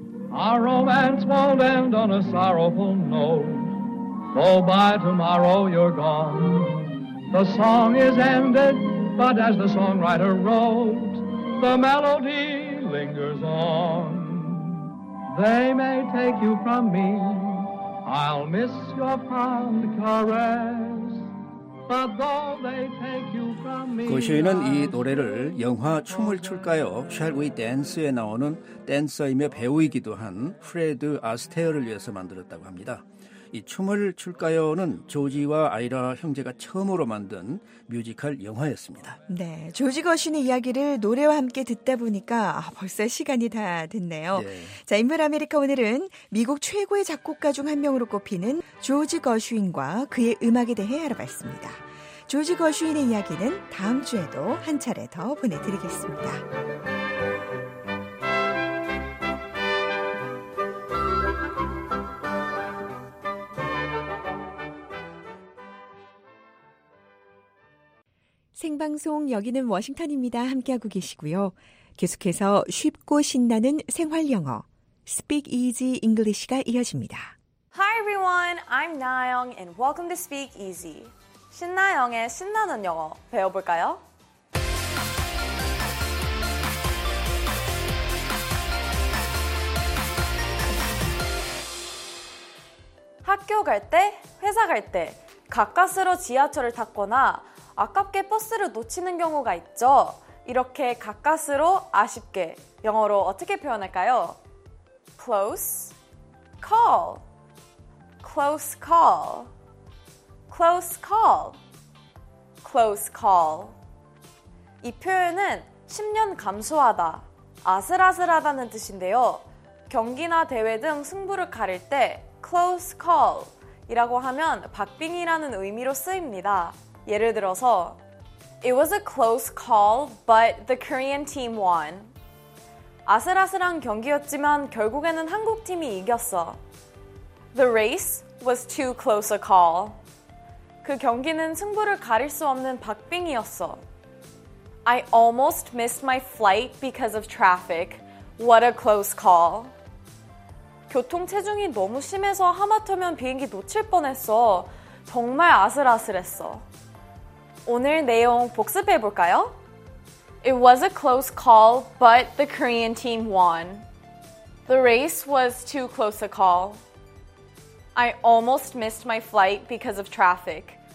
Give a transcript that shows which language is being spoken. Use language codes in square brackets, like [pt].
[en] Our romance won't end on a sorrowful note Oh, by tomorrow you're gone The song is ended, but as the songwriter wrote, the melody lingers on. They may take you from me, I'll miss your fond caress, but though they take you from me... [ko] 거시인은 이 노래를 영화 춤을 출까요? Shall We Dance에 나오는 댄서이며 배우이기도 한 프레드 아스테어를 위해서 만들었다고 합니다. 이 춤을 출까요는 조지와 아이라 형제가 처음으로 만든 뮤지컬 영화였습니다. 네, 조지 거시인의 이야기를 노래와 함께 듣다 보니까 벌써 시간이 다 됐네요. 네. 자, 인물 아메리카 오늘은 미국 최고의 작곡가 중 한 명으로 꼽히는 조지 거시인과 그의 음악에 대해 알아봤습니다. 조지 거시인의 이야기는 다음 주에도 한 차례 더 보내드리겠습니다. 생방송 여기는 워싱턴입니다. 함께하고 계시고요. 계속해서 쉽고 신나는 생활 영어 Speak Easy English가 이어집니다. [en] Hi everyone, I'm Nayoung and welcome to Speak Easy. [ko] 신나영의 신나는 영어 배워볼까요? 학교 갈 때, 회사 갈 때 가까스로 지하철을 탔거나 아깝게 버스를 놓치는 경우가 있죠. 이렇게 가까스로 아쉽게 영어로 어떻게 표현할까요? [en] Close call. Close call. Close call. Close call. [ko] 이 표현은 10년 감수하다, 아슬아슬하다는 뜻인데요. 경기나 대회 등 승부를 가릴 때 close call 이라고 하면 박빙이라는 의미로 쓰입니다. 예를 들어서 [en] It was a close call, but the Korean team won. [ko] 아슬아슬한 경기였지만 결국에는 한국 팀이 이겼어. [en] The race was too close a call. [ko] 그 경기는 승부를 가릴 수 없는 박빙이었어. [en] I almost missed my flight because of traffic. What a close call. [ko] 교통체증이 너무 심해서 하마터면 비행기 놓칠 뻔했어. 정말 아슬아슬했어. 오늘 내용 복습해 볼까요? [en] It was a close call, but the Korean team won. The race was too close a call. I almost missed my flight because of traffic.